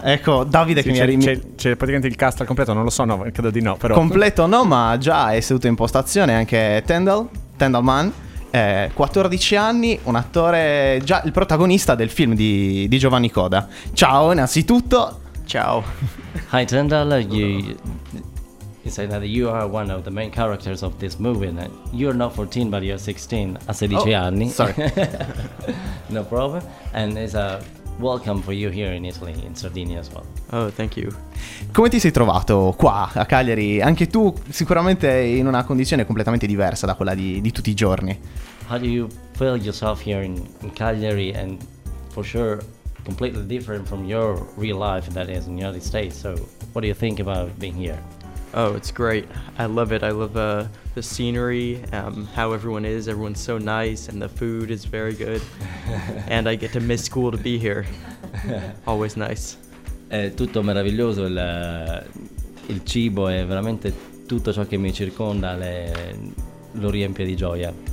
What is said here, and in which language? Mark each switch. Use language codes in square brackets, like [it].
[it] Ecco, Davide, sì, che c'è praticamente il cast al completo, non lo so, no, credo di no, però. Completo no, ma già è seduto in postazione anche Tendalman, 14 anni, un attore, già il protagonista del film di Giovanni Coda. Ciao, innanzitutto. Ciao. [en] Hi Tendal, you say that you are one of the main characters of this movie. And you're not 14, but you're 16, [it] a 16 anni. [en] Sorry. No problem. And it's a welcome for you here in Italy, in Sardinia as well. Oh, thank you. [it] Come ti sei trovato qua a Cagliari? Anche tu sicuramente in una condizione completamente diversa da quella di tutti i giorni. [en] How do you feel yourself here in Cagliari, and for sure completely different from your real life that is in the United States? So what do you think about being here? Oh, it's great. I love it. I love the scenery, how everyone is. Everyone's so nice and the food is very good. And I get to miss school to be here. Always nice. [it] È tutto meraviglioso, il cibo è veramente tutto ciò che mi circonda lo riempie di gioia.